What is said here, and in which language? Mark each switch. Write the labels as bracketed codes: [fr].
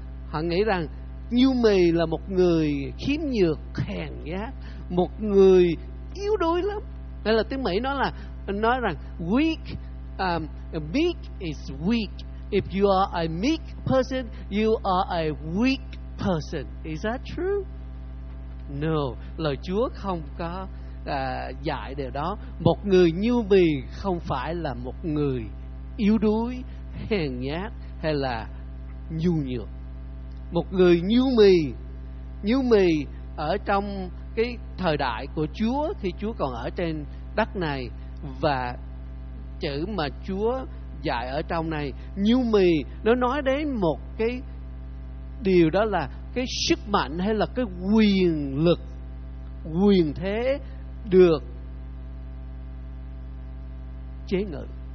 [vi] Họ nghĩ rằng nhu mì là một người khiếm nhược, hèn nhát, một người yếu đuối lắm. Đây là tiếng Mỹ nói là, nói rằng [en] weak, meek is weak. If you are a meek person, you are a weak person. Is that true? No. [vi] Lời Chúa không có dạy điều đó. Một người nhu mì không phải là một người yếu đuối, hèn nhát hay là nhu nhược. Một người nhu mì ở trong cái thời đại của Chúa, khi Chúa còn ở trên đất này, và chữ mà Chúa dạy ở trong này, nhu mì, nó nói đến một cái điều, đó là cái sức mạnh hay là cái quyền lực, quyền thế được chế ngự.